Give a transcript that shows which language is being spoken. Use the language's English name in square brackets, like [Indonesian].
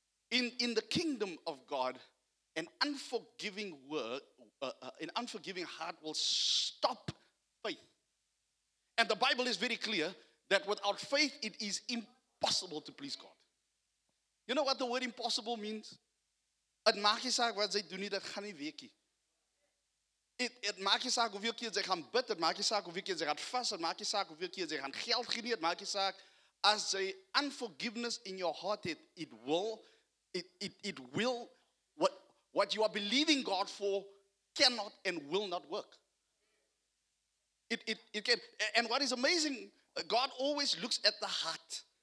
[English] In the kingdom of God, an unforgiving heart will stop faith. And the Bible is very clear that without faith, it is impossible to please God. You know what the word impossible means? [Afrikaans] It maak nie saak wat jy doen nie, dit gaan nie werk nie. It maak nie saak hoeveel keer jy gaan bid, it maak nie saak hoeveel keer jy gaan vas, it maak nie saak hoeveel keer jy gaan geld gee nie, it maak nie saak. As jy [English] unforgiveness in your heart het, it will, what you are believing God for cannot and will not work. It can. And what is amazing, God always looks at the heart.